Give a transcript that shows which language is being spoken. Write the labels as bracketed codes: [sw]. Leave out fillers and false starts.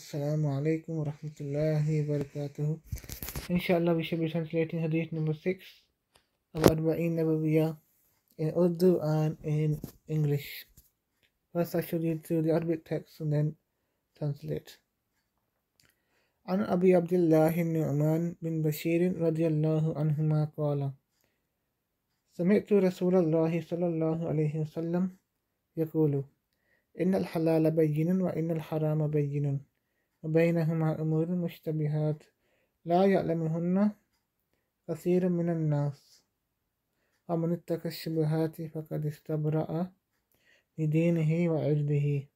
[ar] السلام عليكم ورحمة الله وبركاته. إن شاء الله [en] we shall be translating hadith number 6 of Arba'een Nabawiyya in Urdu and in English. First I shall read through the Arabic text and then translate. [ar] عن أبي عبد الله النعمان بن بشير رضي الله عنهما قال سمعت رسول الله صلى الله عليه وسلم يقول إن الحلال بين وإن الحرام بين وبينهما أمور مشتبهات لا يعلمهن كثير من الناس ومن اتقى الشبهات فقد استبرأ لدينه وعرضه